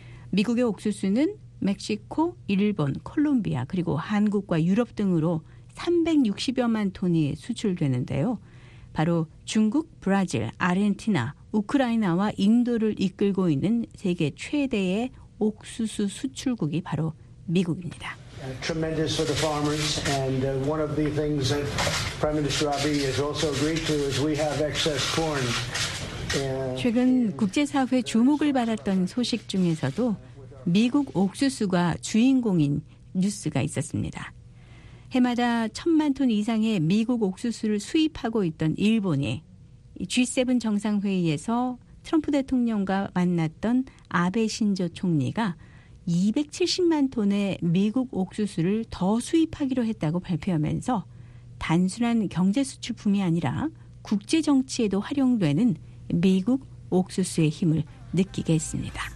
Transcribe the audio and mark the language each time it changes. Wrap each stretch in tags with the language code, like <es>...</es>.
<ko>미국의 옥수수는 멕시코, 일본, 콜롬비아, 그리고 한국과 유럽 등으로 360여만 톤이 수출되는데요. 바로 중국, 브라질, 아르헨티나, 우크라이나와 인도를 이끌고 있는 세계 최대의 옥수수 수출국이 바로 미국입니다.</ko> <en>Tremendous for the farmers, and one of the things that Prime Minister Abe has also agreed to is we have excess corn.</en> <ko>최근 국제사회 주목을 받았던 소식 중에서도 미국 옥수수가 주인공인 뉴스가 있었습니다. 해마다 천만 톤 이상의 미국 옥수수를 수입하고 있던 일본이 G7 정상회의에서 트럼프 대통령과 만났던 아베 신조 총리가 270만 톤의 미국 옥수수를 더 수입하기로 했다고 발표하면서 단순한 경제 수출품이 아니라 국제 정치에도 활용되는 미국 옥수수의 힘을 느끼게 했습니다.</ko>